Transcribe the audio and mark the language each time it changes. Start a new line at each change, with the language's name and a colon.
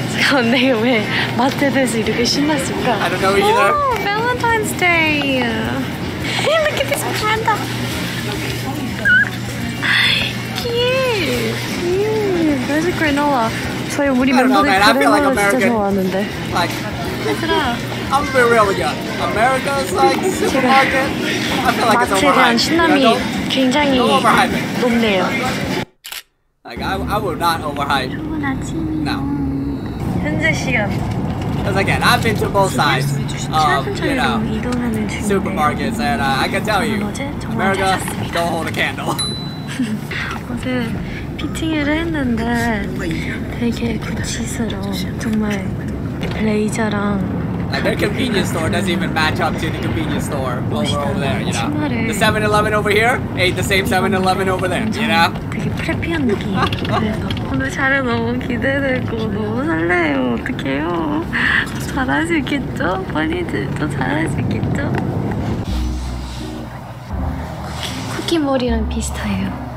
Korean: 근데 왜 마트에 대해서 이렇게 신났을까?
English: I don't know either. Oh, Valentine's Day. Look at this panda.
Korean: 귀여워.
English: There's a granola.
Korean: 저희 우리 멤버들 그래놀라 진짜 좋아하는데.
English: I'm very real with you. America's like supermarket. I feel like it's overhyped.
Korean: 마트에 대한 신남이 굉장히 높네요.
English: Like I will not overhype. No.
Korean: 현재 시간.
English: Because again, I've been to both sides of, you know, supermarkets, and I can tell you, America don't hold a candle.
Korean: 어제 피팅을 했는데 되게 구치스러워. 정말 레이저랑.
English: Like their convenience store doesn't even match up to the convenience store over there, you know. The 7-Eleven over here ain't the same 7-Eleven over there, you know.
Korean: 되게 프레피한 느낌. 오늘 자료 너무 기대되고 너무 설레요. 어떡해요? 더 잘할 수 있겠죠? 버니즈 더 잘할 수 있겠죠? 쿠키 머리랑 비슷해요.